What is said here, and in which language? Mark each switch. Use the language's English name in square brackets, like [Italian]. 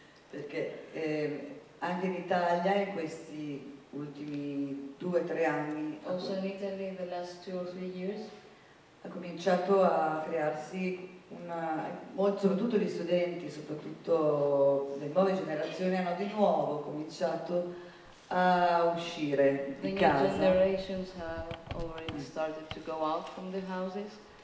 [Italian] Perché anche in Italia in questi ultimi 2-3 anni. [English] Also in Italy in the last 2 or 3 years. [Italian] Ha cominciato a crearsi soprattutto le nuove generazioni hanno di nuovo cominciato a uscire di casa. [English] The new generations have already started to go out from the houses.